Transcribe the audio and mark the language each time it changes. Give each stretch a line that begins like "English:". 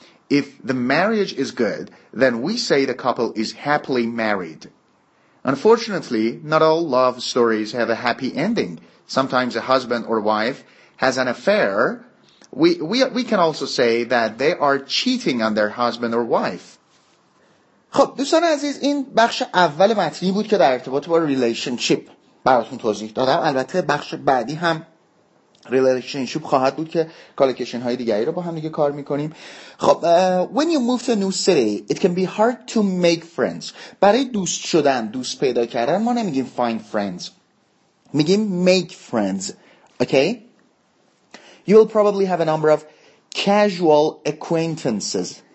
English: If the marriage is good, then we say the couple is happily married. Unfortunately, not all love stories have a happy ending. Sometimes a husband or wife has an affair. We can also say that they are cheating on their husband or wife.
Persian: خب دوستان عزیز، این بخش اول متنی بود که در ارتباط با ریلیشنشیپ براتون توضیح دادم. البته بخش بعدی هم ریلیشنشیپ خواهد بود که کالکیشن های دیگری رو با هم دیگه کار میکنیم.
English: خب when you move to a new city it can be hard to make friends.
Persian: برای دوست شدن، دوست پیدا کردن ما نمیگیم
English: find friends،
Persian: میگیم
English: make friends. Okay, you will probably have a number of casual acquaintances.